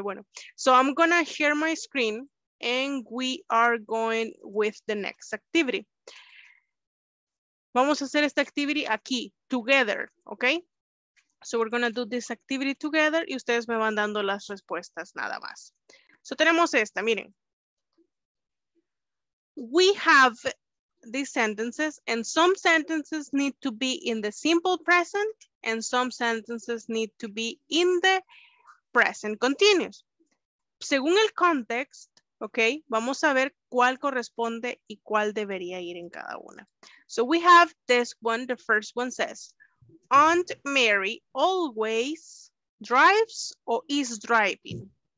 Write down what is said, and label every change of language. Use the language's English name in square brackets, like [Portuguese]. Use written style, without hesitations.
[English] Bueno, so I'm gonna share my screen and we are going with the next activity. [Spanish] Vamos a hacer esta activity aquí, together, ¿ok? [English] So we're going to do this activity together [Spanish] y ustedes me van dando las respuestas nada más. So tenemos esta, miren. [English] We have these sentences and some sentences need to be in the simple present and some sentences need to be in the present continuous. [Spanish] Según el contexto, ok, vamos a ver cuál corresponde y cuál debería ir en cada una. [English] So we have this one, the first one says, Aunt Mary always drives or is driving?